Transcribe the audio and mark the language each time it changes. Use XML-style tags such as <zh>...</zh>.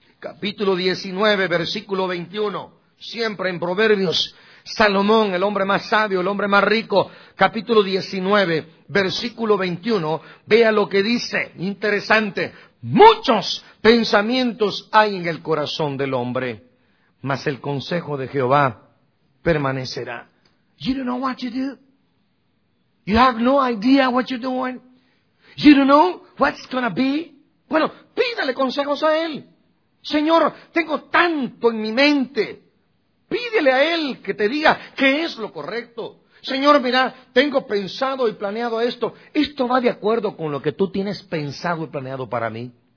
<es>Capítulo 19, versículo 21, siempre en Proverbios, Salomón, el hombre más sabio, el hombre más rico. Capítulo 19, versículo 21, vea lo que dice, interesante, muchos pensamientos hay en el corazón del hombre, mas el consejo de Jehová permanecerá.</es> <en>You don't know what to do. You have no idea what you're doing. You don't know what's gonna be.</en> <es>Bueno, pídale consejos a él. Señor, tengo tanto en mi mente. Pídele a él que te diga qué es lo correcto. Señor, mira, tengo pensado y planeado esto. Esto va de acuerdo con lo que tú tienes pensado y planeado para mí.</es>